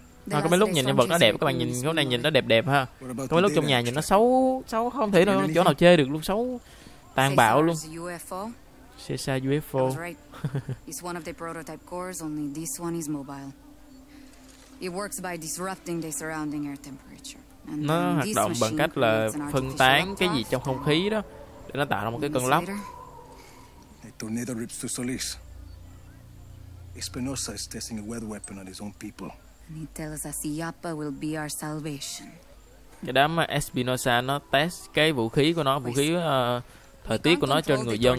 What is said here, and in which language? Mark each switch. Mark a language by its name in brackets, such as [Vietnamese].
[Vietnamese] À, có mấy lúc nhìn nhân vật nó đẹp, các bạn nhìn chỗ này nhìn nó đẹp đẹp ha. Có mấy lúc trong nhà nhìn nó xấu, xấu không thể nào chỗ nào chơi được luôn, xấu tàn bạo luôn. [English] Cesa UFO. It's one of the prototype cores, only this one is mobile. It works by disrupting the surrounding air temperature. [Vietnamese] Nó hoạt động bằng cách là phân tán cái gì trong không khí đó để nó tạo ra một cái cơn lốc. [English] Tornado rips to Solis. Espinosa is testing a weather weapon on his own people. And he tells us Yapa will be our salvation. [Vietnamese] Cái đám Espinosa nó test cái vũ khí của nó, vũ khí thời tiết của nó trên người dân.